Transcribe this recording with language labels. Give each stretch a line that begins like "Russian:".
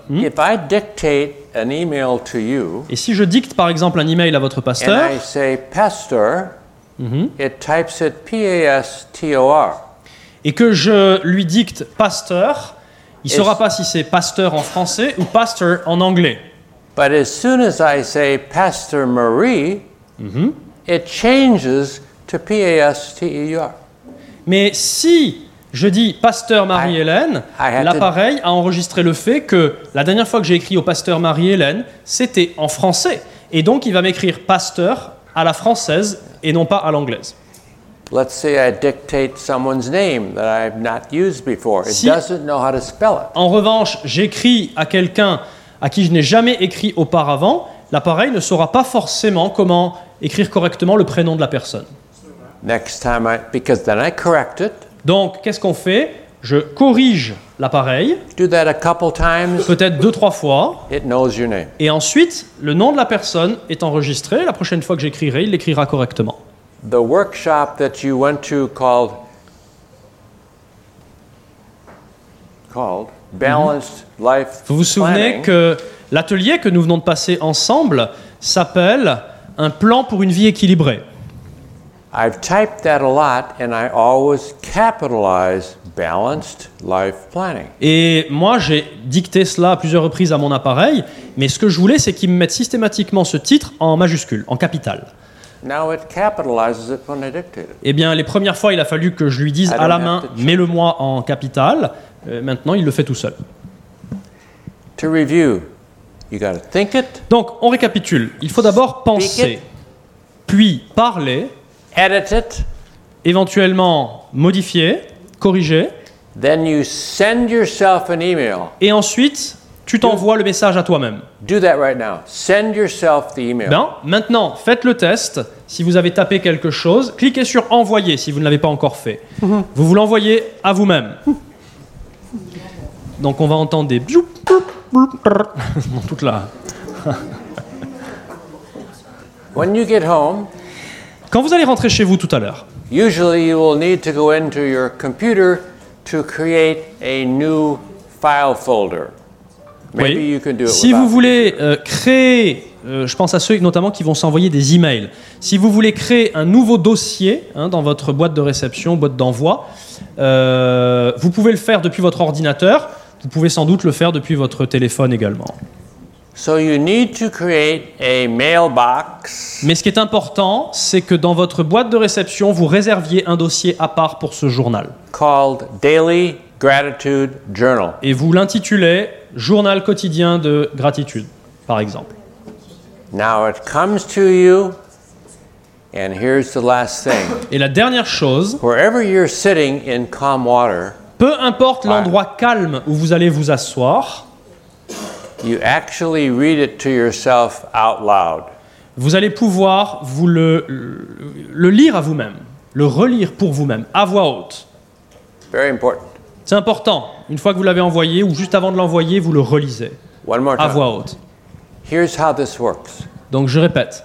English: Hmm? If I dictate an email to you,
French: et si je dicte par exemple un email à votre pasteur,
English: and I say pastor, mm-hmm. it types it P-A-S-T-O-R.
French: Et que je lui dicte pasteur, il ne saura pas si c'est pasteur en français ou pasteur en anglais.
English: But as soon as I say Pastor Marie, mm-hmm. it changes to P-A-S-T-E-U-R.
French: Mais si je dis Pasteur Marie-Hélène, l'appareil a enregistré le fait que la dernière fois que j'ai écrit au Pasteur Marie-Hélène, c'était en français. Et donc il va m'écrire Pasteur à la française et non pas à l'anglaise.
English: Let's say I dictate someone's name that I've not used before. It doesn't know how to spell it.
French: En revanche, j'écris à quelqu'un à qui je n'ai jamais écrit auparavant, l'appareil ne saura pas forcément comment écrire correctement le prénom de la personne.
English: Next time I, because then I correct it.
French: Donc, qu'est-ce qu'on fait? Je corrige l'appareil.
English: Do that a couple times.
French: Peut-être deux, trois fois.
English: It knows your name.
French: Et ensuite, le nom de la personne est enregistré. La prochaine fois que j'écrirai, il l'écrira correctement.
English: The workshop that you went to called Balanced Life Planning.
French: Vous vous souvenez que l'atelier que nous venons de passer ensemble s'appelle Un plan pour une vie équilibrée.
English: I've typed that a lot and I always capitalize Balanced Life Planning.
French: Et moi j'ai dicté cela à plusieurs reprises à mon appareil, mais ce que je voulais c'est qu'il me mette systématiquement ce titre en majuscule, en capital.
English: Now it capitalizes it when I dictate it.
French: Eh bien, les premières fois, il a fallu que je lui dise à la main, mets-le-moi en capital. Maintenant, il le fait tout seul.
English: To review, you gotta think it.
French: Donc, on récapitule. Il faut d'abord penser, puis parler,
English: edit it,
French: éventuellement modifier, corriger.
English: Then you send yourself an email.
French: Et ensuite, tu t'envoies le message à toi-même.
English: Do that right now. Send yourself the email.
French: Ben, maintenant, faites le test. Si vous avez tapé quelque chose, cliquez sur « Envoyer » si vous ne l'avez pas encore fait. Vous vous l'envoyez à vous-même. Donc, on va entendre des « bjoup, bjoup, bjoup, bjoup » toute là.
English: When you get home,
French: quand vous allez rentrer chez vous tout à l'heure,
English: usually you will need to go into your computer to create a new file folder.
French: Oui. Si vous voulez créer, je pense à ceux notamment qui vont s'envoyer des emails, si vous voulez créer un nouveau dossier hein, dans votre boîte de réception, boîte d'envoi, vous pouvez le faire depuis votre ordinateur, vous pouvez sans doute le faire depuis votre téléphone également.
English: So you need to create a mailbox.
French: Mais ce qui est important, c'est que dans votre boîte de réception, vous réserviez un dossier à part pour ce journal.
English: Called Daily Gratitude Journal.
French: Et vous l'intitulez Journal quotidien de gratitude, par exemple.
English: Now it comes to you, and here's the last thing.
French: Et la dernière chose.
English: Wherever you're sitting in calm water.
French: Peu importe l'endroit calme où vous allez vous asseoir.
English: You actually read it to yourself out loud.
French: Vous allez pouvoir vous le lire à vous-même, le relire pour vous-même, à voix haute.
English: Very important.
French: C'est important. Une fois que vous l'avez envoyé ou juste avant de l'envoyer, vous le relisez
English: One more time.
French: À voix haute.
English: Here's how this works.
French: Donc je répète.